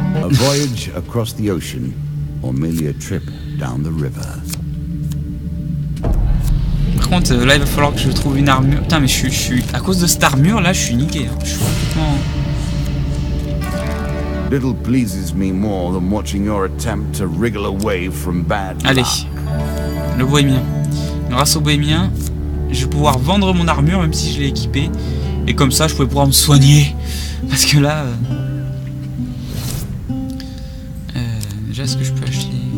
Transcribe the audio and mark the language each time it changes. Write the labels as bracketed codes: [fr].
[en] Voyage across the ocean, or merely a trip down the river. [fr] Par contre, là, il va falloir que je trouve une armure. Putain, mais je suis à cause de cette armure, là, je suis niqué. Je suis complètement. [en] Little pleases me more than watching your attempt to wriggle away from bad luck. [fr] Allez, le bohémien. Grâce au bohémien, je vais pouvoir vendre mon armure, même si je l'ai équipée, et comme ça, je pourrais pouvoir me soigner, parce que là. Déjà, est-ce que je peux acheter...